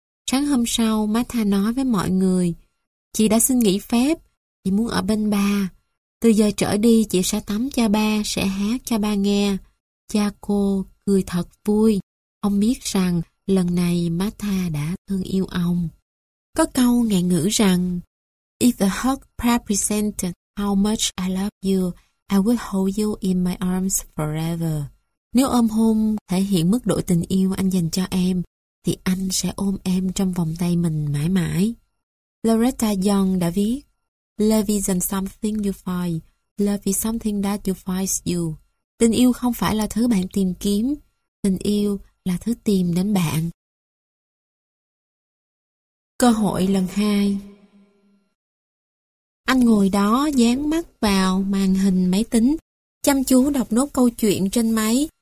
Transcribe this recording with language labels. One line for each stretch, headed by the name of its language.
Vietnamese: Sáng hôm sau, Martha nói với mọi người, chị đã xin nghỉ phép, chị muốn ở bên ba. Từ giờ trở đi, chị sẽ tắm cho ba, sẽ hát cho ba nghe. Cha cô cười thật vui, ông biết rằng lần này Martha đã thương yêu ông. Có câu ngạn ngữ rằng,
English: if a hug represented how much I love you, I would hold you in my arms forever.
Vietnamese: Nếu ôm hôn thể hiện mức độ tình yêu anh dành cho em, thì anh sẽ ôm em trong vòng tay mình mãi mãi. Loretta Young đã viết, love isn't something you find, love is something that defines you. Tình yêu không phải là thứ bạn tìm kiếm, tình yêu là thứ tìm đến bạn. Cơ hội lần hai. Anh ngồi đó dán mắt vào màn hình máy tính, chăm chú đọc nốt câu chuyện trên máy.